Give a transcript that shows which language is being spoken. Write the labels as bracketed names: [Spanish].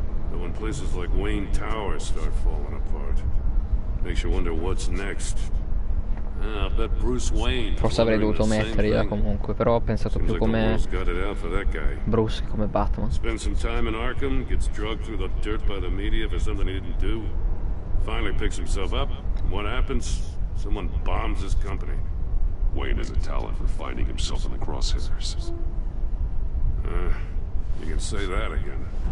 [English] But when places like Wayne Tower start falling apart, makes you wonder what's next. Ah, but Bruce Wayne. [Italian] Forse avrei dovuto metterla comunque, però ho pensato più come Bruce, come Batman. [English] Spend some time in Arkham, gets drugged through the dirt by the media for something he didn't do. Finally picks himself up, and what happens? Someone bombs his company. Wayne has a talent for finding himself in the crosshairs. You can say that again.